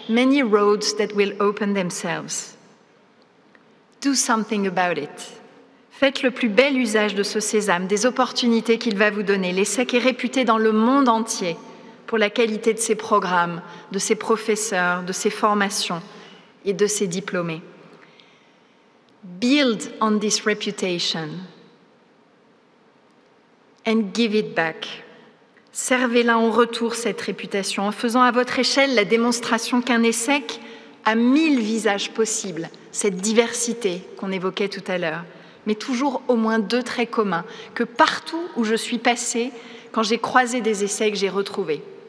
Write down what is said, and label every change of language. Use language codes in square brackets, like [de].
[en] Many roads that will open themselves. Do something about it. [fr] Faites le plus bel usage de ce sésame, des opportunités qu'il va vous donner. L'ESSEC est réputé dans le monde entier pour la qualité de ses programmes, de ses professeurs, de ses formations et de ses diplômés. [en] Build on this reputation and give it back. [fr] Servez-la en retour, cette réputation, en faisant à votre échelle la démonstration qu'un ESSEC a 1000 visages possibles, cette diversité qu'on évoquait tout à l'heure, mais toujours au moins 2 traits communs, que partout où je suis passée, quand j'ai croisé des ESSEC, j'ai retrouvé.